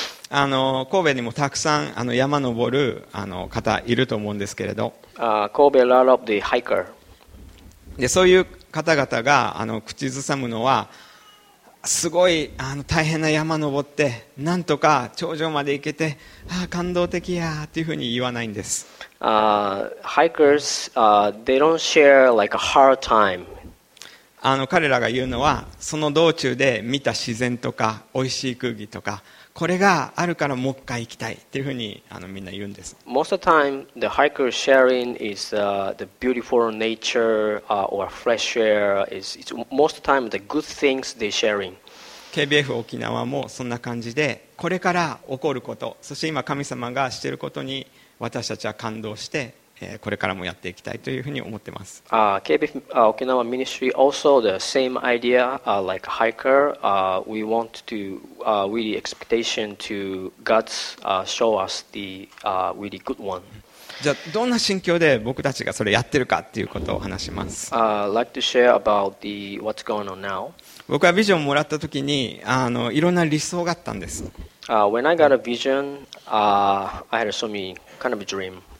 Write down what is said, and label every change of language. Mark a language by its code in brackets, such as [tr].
[ja] 神戸にもたくさん山登る方いると思うんですけれど、 [en] 神戸 a lot of the hiker. [ja] で、そういう方々が口ずさむのは、すごい大変な山登ってなんとか頂上まで行けて、ああ感動的やっていうふうに言わないんです。 [en] Hikers, they don't share like a hard time. [ja] 彼らが言うのは、その道中で見た自然とか美味しい空気とか、これがあるからもう一回行きたいっていうふうにみんな言うんです。 [en] Most of the time, the hiker sharing is the beautiful nature or fresh air. It's most of the time the good things they sharing. [ja] KBF 沖縄もそんな感じで、これから起こること、そして今神様がしていることに私たちは感動して、これからもやっていきたいというふうに思ってます。 [en] KBF 沖縄 Ministry also the same idea like hiker. We want to really expectation to God's show us the really good one. [ja] じゃあどんな心境で僕たちがそれやってるかっていうことを話します。 [en] Like to share about the what's going on now. [ja] 僕はビジョンをもらった時にいろんな理想があったんです。 [en] When I got a vision, I had so many kind of a dream.